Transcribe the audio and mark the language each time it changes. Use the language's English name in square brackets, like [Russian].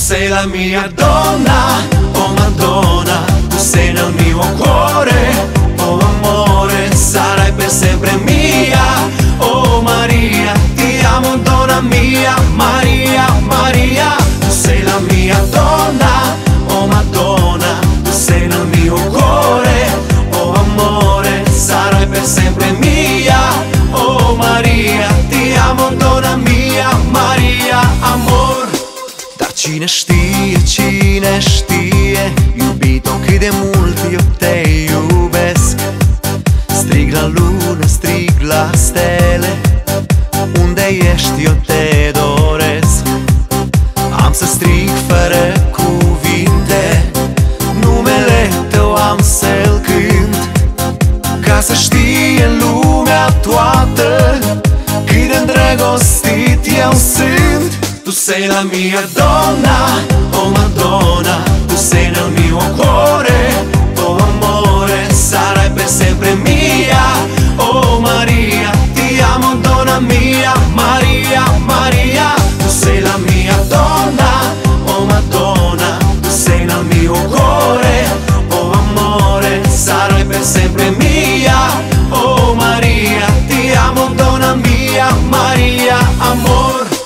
[Italian] la mia donna, oh Madonna, tu sei nel mio cuore, oh amore, sarai per sempre mia, oh Maria, ti amo donna mia, Maria, Maria, tu sei la mia donna, oh Madonna, tu sei nel mio cuore, oh amore, sarai per sempre mia, oh Maria, ti amo donna mia, Maria, amor. [Romanian] Cine știe, cine știe, iubito cât de mult eu te iubesc. Strig la lună, strig la stele, unde ești eu te doresc. Am să strig fără cuvinte, numele tău am să-l cânt. Ca să știe lumea toată, cât de îndrăgostit eu sunt. [Italian] Tu sei la mia donna, oh Madonna, tu sei nel mio cuore, oh amore, sarai per sempre mia, oh Maria, ti amo donna mia, Maria, Maria, tu sei la mia donna, oh Madonna, tu sei nel mio cuore, oh amore, sarai per sempre mia, oh Maria, ti amo donna mia, Maria, amor.